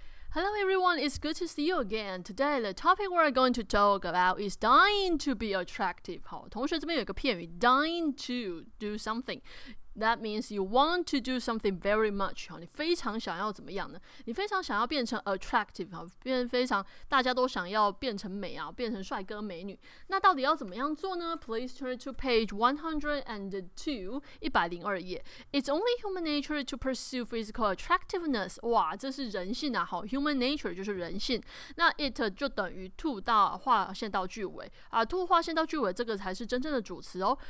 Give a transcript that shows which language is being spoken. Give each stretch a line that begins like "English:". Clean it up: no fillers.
English: Hello everyone, it's good to see you again. Today, the topic we're going to talk about is dying to be attractive.
Chinese: 好，同学这边有一个片语
English: dying to do something. That means you want to do something very much.
Chinese: 好，你非常想要怎么样呢？你非常想要变成 attractive. 好，变非常，大家都想要变成美啊，变成帅哥美女。那到底要怎么样做呢？
English: Please turn to page 102,
Chinese: 102页。
English: It's only human nature to pursue physical attractiveness.
Chinese: 哇，这是人性啊。好， human nature 就是人性。那 it 就等于 to 到划线到句尾啊， to 划线到句尾这个才是真正的主词哦。